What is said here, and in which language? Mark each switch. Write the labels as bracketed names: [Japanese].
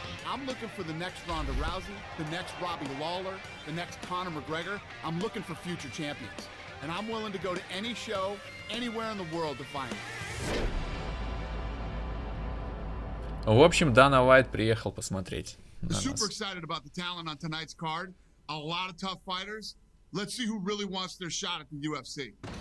[English] I'm looking for the next Ronda Rousey, the next Robbie Lawler, the next Conor McGregor. I'm looking for future champions. And I'm willing to go to any show, anywhere in the world to find them. [Russian] В общем, Дана Уайт приехал посмотреть. [English] Super excited about the talent on tonight's card. A lot of tough fighters. Let's see who really wants their shot at the UFC.